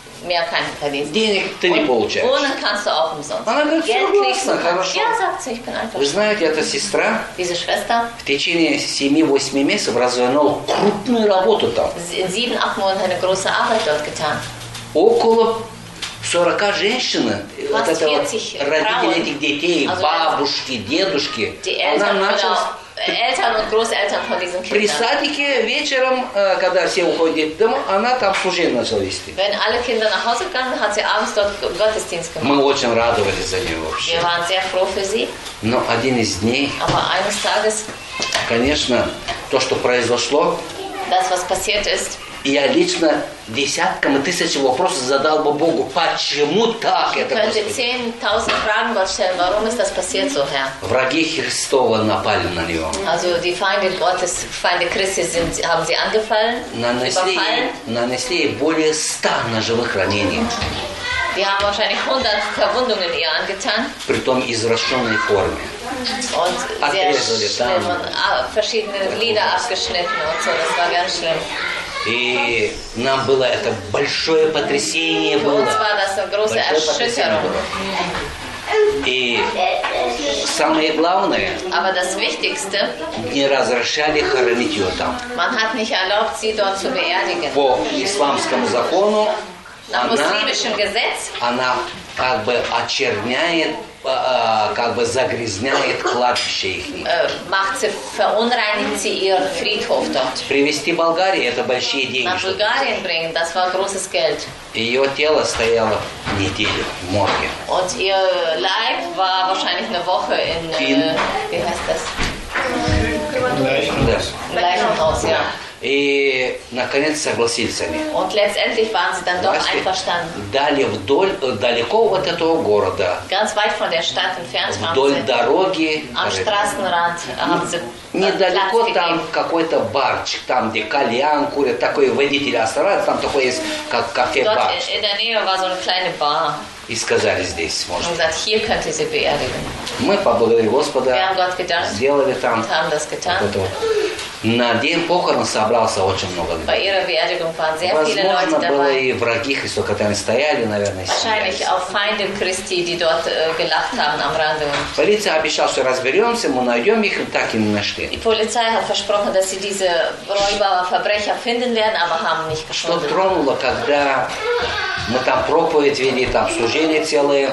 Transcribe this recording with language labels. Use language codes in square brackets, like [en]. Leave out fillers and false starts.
[de] Mehr kann ich verdienen. [ru] Денег ты [de] und [ru] не получаешь. [de] Wohnen kannst du auch umsonst. [ru] Она говорит, все классно, хорошо. [de] Я sagt, ich bin einfach. [ru] Вы знаете, эта сестра [de] diese Schwester [ru] в течение 7-8 месяцев развернула крупную работу там. [de] 7-8 Monate eine große Arbeit dort getan. [ru] Около 40 женщин, вот это вот, родители этих детей, also бабушки, дедушки, она начала... [de] Eltern und Großeltern von diesen Kindern. [ru] При садике вечером, когда все уходят дома, она там служение начала вести. [de] Wenn alle Kinder nach Hause gegangen, hat sie abends dort Gottesdienst gemacht. [ru] Мы очень радовались за нее вообще. [de] Wir waren sehr froh für sie. [ru] Но один из дней, [de] aber eines Tages, [ru] конечно, то, что произошло, [de] das, was passiert ist, [ru] я лично десяткам и тысячам вопросов задал бы Богу, почему так это происходит? So, враги Христова напали на него. [de] Also, die Feinde Gottes, Feinde Christi sind, haben sie angefallen, [ru] нанесли более 100 ножевых ранений. [de] Die haben wahrscheinlich 100 Verwundungen ihr angetan. [ru] Притом извращенной форме. Und отрезали там. [de] Verschiedene Glieder abgeschnitten und so, das war ganz schlimm. [ru] И нам было это большое потрясение было. Большое потрясение было. И самое главное, [de] aber das Wichtigste, [ru] не разрешали хоронить ее там. [de] Man hat nicht erlaubt, sie dort zu beerdigen. [ru] По исламскому закону, [de] nach muslimischem Gesetz, [ru] она как бы очерняет, как бы загрязняет кладбище их. [de] Махцев verunreinigt sie ihr Friedhof dort. [ru] Привезти в Болгарию, это большие деньги. [de] Nach Bulgarien bringen, das war großes Geld. [ru] Ее тело стояло неделю в морге. [de] Und ihr Leib war wahrscheinlich eine Woche in, wie heißt das? Leichenhaus, ja. [ru] И, наконец, согласились они. [de] Und letztendlich waren sie dann doch einverstanden. [ru] Дали вдоль, далеко от этого города. [de] Ganz weit von der Stadt entfernt. [ru] Вдоль дороги. [de] Am Straßenrand haben sie [ru] недалеко там какой-то барчик, там, где кальян курят, такой водитель оставляется, там такой есть, как кафе-бар. [de] In der Nähe war so eine kleine Bar. [ru] И сказали, здесь можно. [de] Und gesagt, hier könnt ihr sie beerdigen. [ru] Мы поблагодарили Господа. [de] Wir haben Gott gedankt. [ru] Сделали там. [de] Und haben das getan. [ru] Вот это вот. На день похорон собрался очень много людей. [de] Bei ihrer Beerdigung waren sehr [ru] возможно, [de] viele Leute dabei. [ru] Было и враги Христа, которые стояли, наверное, [de] wahrscheinlich auch Feinde Christi, die dort gelacht haben am Rande. [ru] Полиция обещала, что разберемся, мы найдем их, и так и не нашли. [de] Die Polizei hat versprochen, dass sie diese Räuber, Verbrecher finden werden, aber haben nicht gefunden. [ru] Что тронуло, когда мы там проповедь вели, там служение целое.